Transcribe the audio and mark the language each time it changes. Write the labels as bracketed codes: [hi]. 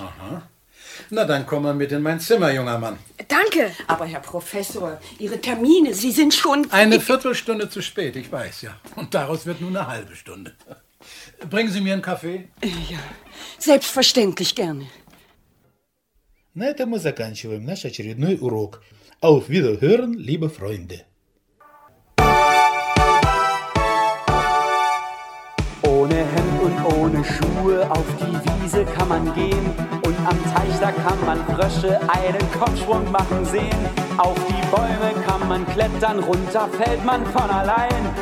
[de] Aha. Na, dann komm mal mit in mein Zimmer, junger Mann. Danke. Aber Herr Professor, Ihre Termine, Sie sind schon... Eine Viertelstunde zu spät, ich weiß ja. Und daraus wird nur eine halbe Stunde. Bringen Sie mir einen Kaffee? Ja, selbstverständlich gerne. [ru] На этом мы заканчиваем наш очередной урок. [de] Auf Wiederhören, liebe Freunde. Ohne Hemd und ohne Schuhe auf die Wiese kann man gehen. Und am Teich, da kann man Frösche einen Kopfschwung machen sehen. Auf die Bäume kann man klettern, runter fällt man von allein.